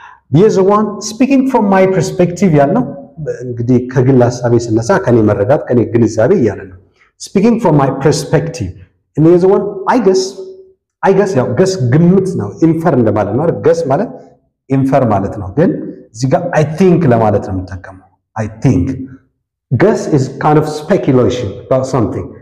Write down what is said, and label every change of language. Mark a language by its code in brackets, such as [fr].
[en] There's one, speaking from my perspective [am] yallo እንግዲህ ከግል ሐሳቤ ስነሳ ከኔ መረዳት ከኔ ግንዛቤ ያለ ነው. [en] Speaking from my perspective, and there's one, I guess [am] ያው [en] guess [am] ግምት ነው. infer እንደማለት ነው አይደል? guess ማለት infer ማለት ነው. ግን እዚህ ጋር [en] I think [am] ለማለት ነው የምጠቀመው. [en] I think guess is kind of speculation about something.